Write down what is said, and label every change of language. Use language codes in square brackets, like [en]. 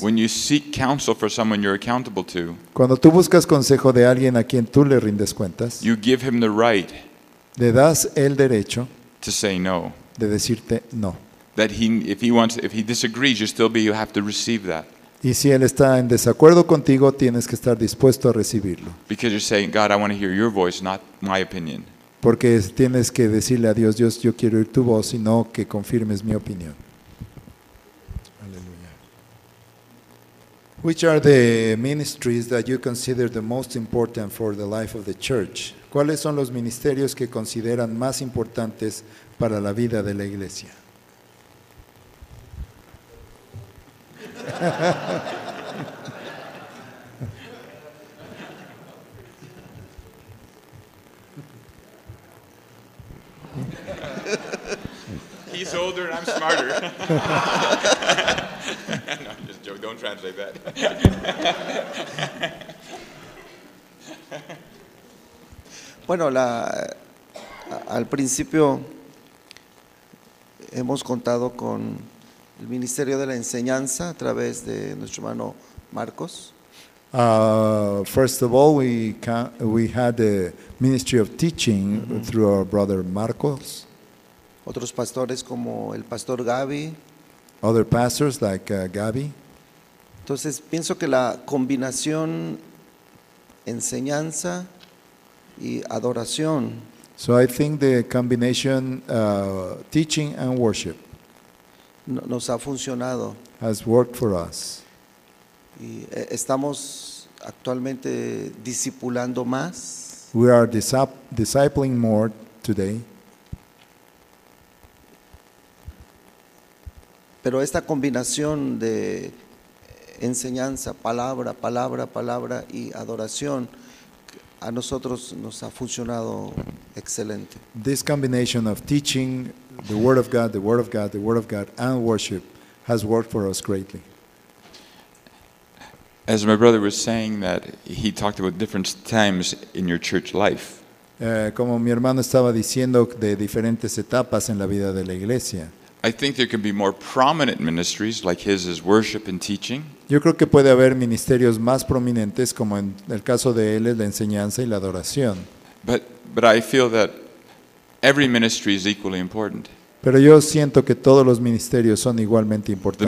[en] When you seek counsel for someone you're accountable to. [es] Cuando tú buscas consejo de alguien a quien tú le rindes cuentas. [en] You give him the right. [es] Le das el derecho. [en] To say no. [es] De decirte no. [en] That he, if he wants, if he disagrees, you still be, you have to receive that. [es] Y si él está en desacuerdo contigo, tienes que estar dispuesto a recibirlo. [en] Because you're saying, God, I want to hear your voice, not my opinion. [es] Porque tienes que decirle a Dios, Dios, yo quiero oír tu voz y no que confirmes mi opinión. Aleluya. [en] Which are the ministries that you consider the most important for the life of the church? [es] ¿Cuáles son los ministerios que consideran más importantes para la vida de la iglesia? [en] He's older and I'm smarter. No, I'm just joking. Don't translate that. [es] Bueno, al principio hemos contado con el Ministerio de la Enseñanza a través de nuestro hermano Marcos. [en] First of all, we had the Ministry of Teaching through our brother Marcos. [es] Otros pastores como el pastor Gaby. [en] Other pastors like Gaby. [es] Entonces, pienso que la combinación enseñanza y adoración. [en] So I think the combination teaching and worship [es] nos ha funcionado. [en] Has worked for us. [es] Y estamos actualmente discipulando más. [en] We are discipling more today. [es] Pero esta combinación de enseñanza, palabra y adoración a nosotros nos ha funcionado excelente. [en] This combination of teaching the word of God and worship has worked for us greatly. As my brother was saying that he talked about different times in your church life. [es] Como mi hermano estaba diciendo de diferentes etapas en la vida de la iglesia. [en] I think there can be more prominent ministries like his is worship and teaching. [es] Yo creo que puede haber ministerios más prominentes como en el caso de él es la enseñanza y la adoración. [en] But I feel that every ministry is equally important. [es] Pero yo siento que todos los ministerios son igualmente importantes.